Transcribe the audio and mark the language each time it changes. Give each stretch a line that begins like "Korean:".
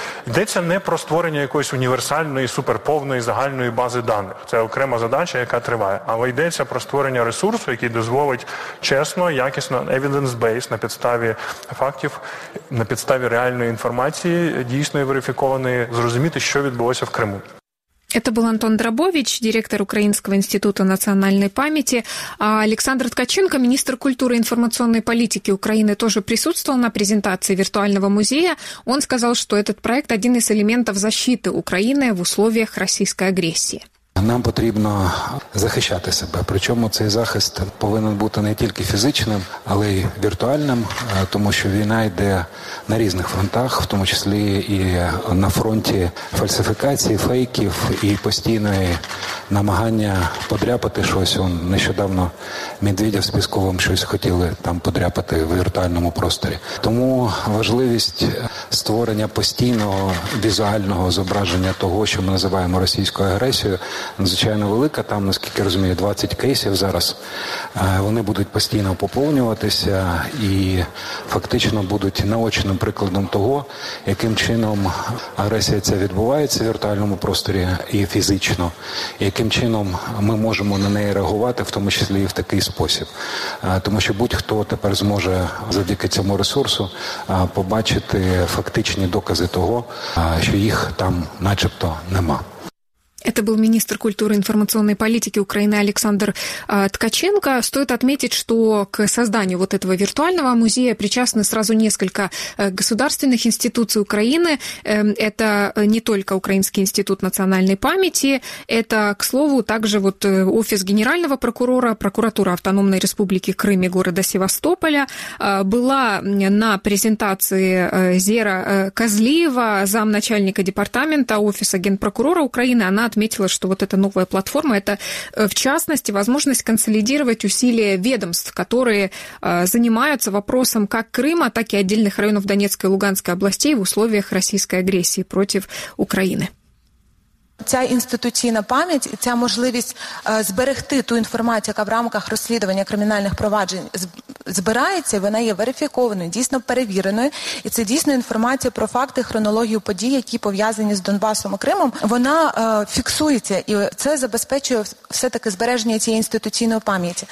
Ukrainian: Йдеться не про створення якоїсь універсальної, суперповної загальної бази даних. Це окрема задача, яка триває. Але йдеться про створення ресурсу, який дозволить чесно, якісно, evidence-based, на підставі фактів, на підставі реальної інформації, дійсно верифікованої, зрозуміти, що відбулося в Криму.
Russian: Это был Антон Дробович, директор Украинского института национальной памяти. А Александр Ткаченко, министр культуры и информационной политики Украины, тоже присутствовал на презентации виртуального музея. Он сказал, что этот проект – один из элементов защиты Украины в условиях российской агрессии.
Ukrainian: Нам потрібно захищати себе. Причому цей захист повинен бути не тільки фізичним, але й віртуальним, тому що війна йде на різних фронтах, в тому числі і на фронті фальсифікації, фейків і постійної намагання подряпати щось. Он нещодавно Медведєв з Пісковим щось хотіли там подряпати в віртуальному просторі. Тому важливість створення постійного візуального зображення того, що ми називаємо російською агресією, надзвичайно велика. Там, наскільки розумію, 20 кейсів зараз. Вони будуть постійно поповнюватися і фактично будуть наочним прикладом того, яким чином агресія ця відбувається в віртуальному просторі і фізично, яким чином ми можемо на неї реагувати, в тому числі і в такий спосіб. Тому що будь-хто тепер зможе завдяки цьому ресурсу побачити фактичні докази того, що їх там начебто нема.
Russian: Это был министр культуры и информационной политики Украины Александр Ткаченко. Стоит отметить, что к созданию вот этого виртуального музея причастны сразу несколько государственных институций Украины. Это не только Украинский институт национальной памяти, это, к слову, также вот офис генерального прокурора, прокуратура Автономной Республики Крым и города Севастополя. Была на презентации Зера Козлиева, замначальника департамента офиса генпрокурора Украины. Она отметила, что вот эта новая платформа – это, в частности, возможность консолидировать усилия ведомств, которые занимаются вопросом как Крыма, так и отдельных районов Донецкой и Луганской областей в условиях российской агрессии против Украины.
Ukrainian: Ця інституційна пам'ять і ця можливість зберегти ту інформацію, яка в рамках розслідування кримінальних проваджень збирається, вона є верифікованою, дійсно перевіреною. І це дійсно інформація про факти, хронологію подій, які пов'язані з Донбасом і Кримом. Вона фіксується, і це забезпечує все-таки збереження цієї інституційної пам'яті.